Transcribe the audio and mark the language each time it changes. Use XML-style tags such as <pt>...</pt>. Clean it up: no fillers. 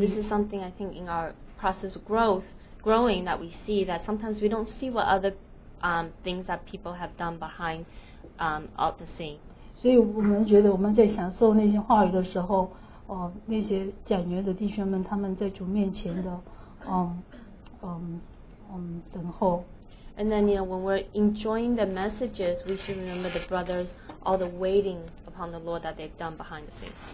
<en>this is something I think in our process growing that we see that sometimes we don't see what other things that people have done behind out the scene.</en> <zh>所以我们觉得我们在享受那些话语的时候，那些讲员的弟兄们他们在主面前的等候。</zh> <en>And then you know when we're enjoying the messages, we should remember the brothers all the waiting upon the Lord that they've done behind the scenes.</en>